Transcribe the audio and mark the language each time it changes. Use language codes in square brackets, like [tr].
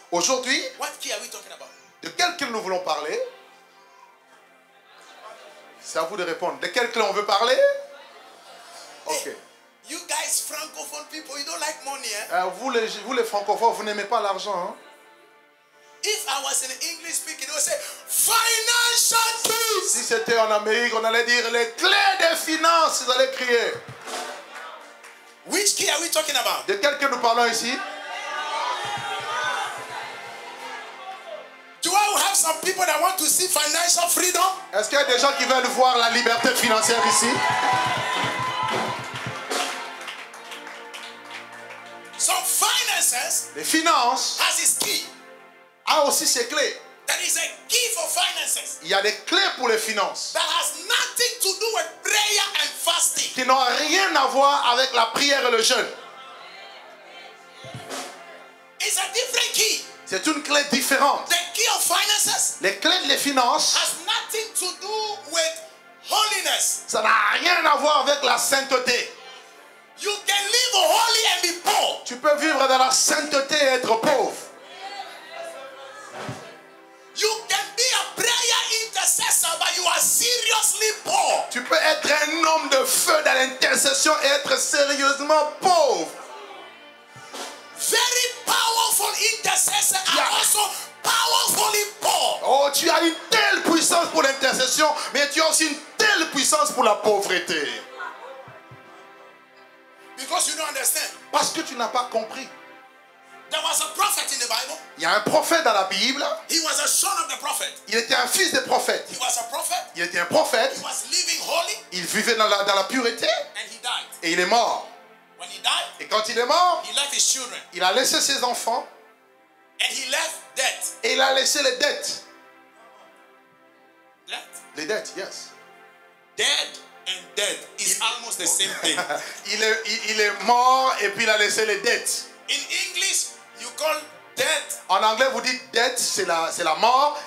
[fr] aujourd'hui, [en] what key are we talking about? [fr] De quelle clé nous voulons parler? C'est à vous de répondre. De quel clé on veut parler? Ok. [en] Hey, you guys francophone people, you don't like money, eh? [fr] Vous les francophones, vous n'aimez pas l'argent, hein? [en] If I was in English speaking, they would say financial peace. [fr] Si c'était en Amérique, on allait dire les clés des finances. Vous allez crier. [en] Which key are we talking about? [fr] De quel nous parlons ici? [en] Do I have some people that want to see financial freedom? [fr] Est-ce qu'il y a des gens qui veulent voir la liberté financière ici? [en] Some finances. [fr] Les finances. [en] Has its key. [fr] A aussi ses clés. [en] There is a key for finances. [fr] Il y a des clés pour les finances. [en] That has nothing to do with prayer and fasting. [fr] Qui n'ont rien à voir avec la prière et le jeûne. [en] It's a different key. [fr] C'est une clé différente. [en] The key of finances. [fr] Les clés des finances. [en] Has nothing to do with holiness. [fr] Ça n'a rien à voir avec la sainteté. [en] You can live holy and be poor. [fr] Tu peux vivre dans la sainteté et être pauvre. [en] You can be a prayer intercessor, but you are seriously poor. [fr] Tu peux être un homme de feu dans l'intercession et être sérieusement pauvre. [en] Very powerful intercessors are also powerfully poor. [fr] Oh, tu as une telle puissance pour l'intercession, mais tu as aussi une telle puissance pour la pauvreté. [en] Because you don't understand. [fr] Parce que tu n'as pas compris. [en] There was a prophet in the Bible. [fr] Il y a un prophète dans la Bible. [en] He was a son of the prophet. [fr] Il était un fils de prophète. [en] He was a prophet. [fr] Il était un prophète. [en] He was living holy. [fr] Il vivait dans la pureté. [en] And he died. [fr] Et il est mort. [en] When he died, [fr] et quand il est mort, [en] he left his children. [fr] Il a laissé ses enfants. [en] And he left debt. [fr] Et il a laissé les dettes. [en] Debt? [fr] Les dettes, [en] yes. Dead and dead is almost the same thing. [fr] il est mort et puis il a laissé les dettes. [en] In English, you call debt. [fr] En anglais, vous dites dette, c'est la mort.